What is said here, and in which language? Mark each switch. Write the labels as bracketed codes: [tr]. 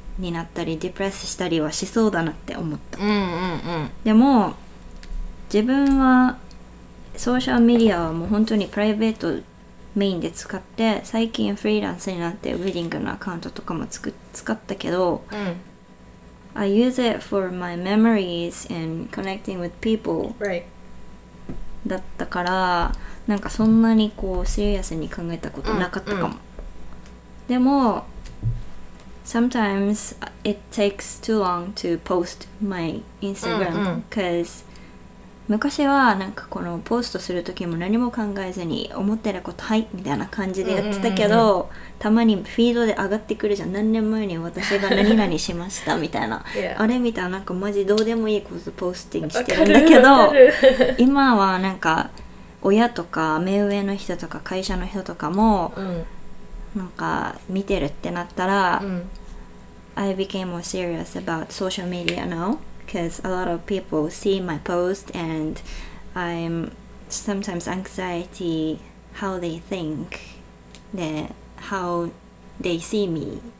[ja] になったりディプレスしたりはしそうだなって思った、うんうんうん、でも自分はソーシャルメディアはもう本当にプライベートメインで使って、最近フリーランスになってウェディングのアカウントとかも使ったけど、うん、 [en] I use it for my memories and connecting with people、 right. [ja] だったから、なんかそんなにこうシリアスに考えたことなかったかも、うんうん、でも [en] Sometimes it takes too long to post my Instagram because、 [ja] うんうん、昔はなんかこのポストする時も何も考えずに思ってることはいみたいな感じでやってたけど、うんうんうん、たまにフィードで上がってくるじゃん、何年前に私が何々しましたみたいな、yeah. あれ見たらなんかマジどうでもいいことポスティングしてるんだけど、今はなんか親とか目上の人とか会社の人とかも、うん、なんか見てるってなったら、うん、 [en] I became more serious about social media now because a lot of people see my post and I'm sometimes anxiety how they think that how they see me、